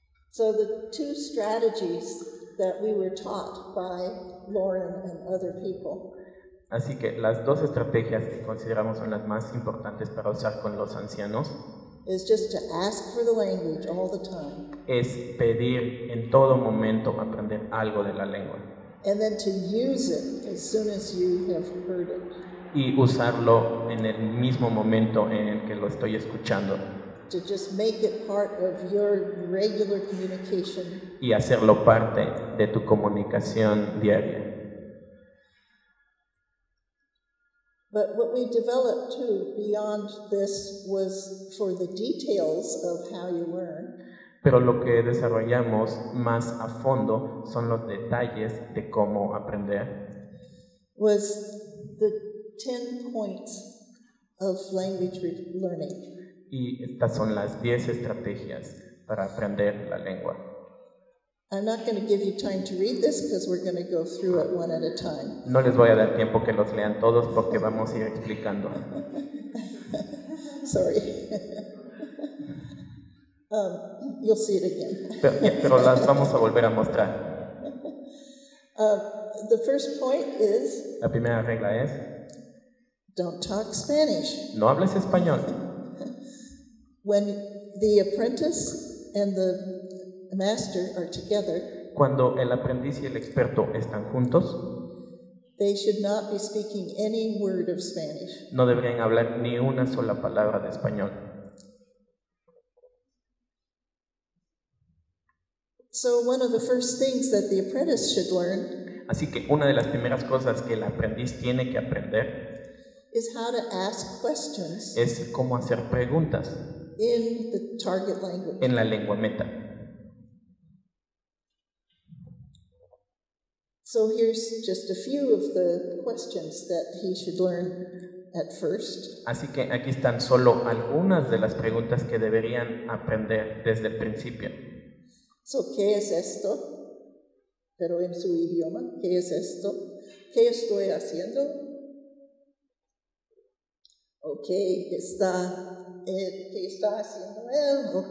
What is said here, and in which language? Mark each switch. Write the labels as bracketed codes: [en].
[en] So the two strategies that we were taught by Lauren and other people. [es] Así que las dos estrategias que consideramos son las más importantes para usar con los ancianos. [en] Is just to ask for the language all the time. [es] Es pedir en todo momento aprender algo de la lengua. [en] And then to use it as soon as you have heard it. [es] Y usarlo en el mismo momento en el que lo estoy escuchando. [en] To just make it part of your regular communication. [es] Y hacerlo parte de tu comunicación diaria. [en] But what we developed too beyond this was for the details of how you learn. [es] Pero lo que desarrollamos más a fondo son los detalles de cómo aprender. [en] Was the 10 points of language learning. [es] Y estas son las 10 estrategias para aprender la lengua. [en] I'm not going to give you time to read this because we're going to go through it one at a time. [es] No les voy a dar tiempo que los lean todos porque vamos a ir explicando. [en] Sorry. You'll see it again. [es] Pero las vamos a volver a mostrar. [en] The first point is. [es] La primera regla es. [en] Don't talk Spanish. [es] No hables español. [en] When the apprentice and the master are together. [es] Cuando el aprendiz y el experto están juntos. [en] They should not be speaking any word of Spanish. [es] No deberían hablar ni una sola palabra de español. [en] So one of the first things that the apprentice should learn. [es] Así que una de las primeras cosas que el aprendiz tiene que aprender. [en] Is how to ask questions. [es] Es cómo hacer preguntas. [en] In the target language. [es] En la lengua meta. [en] So here's just a few of the questions that he should learn at first. [es] Así que aquí están solo algunas de las preguntas que deberían aprender desde el principio. So, ¿qué es esto? Pero en su idioma, ¿qué es esto? ¿Qué estoy haciendo? Okay, ¿qué está haciendo él?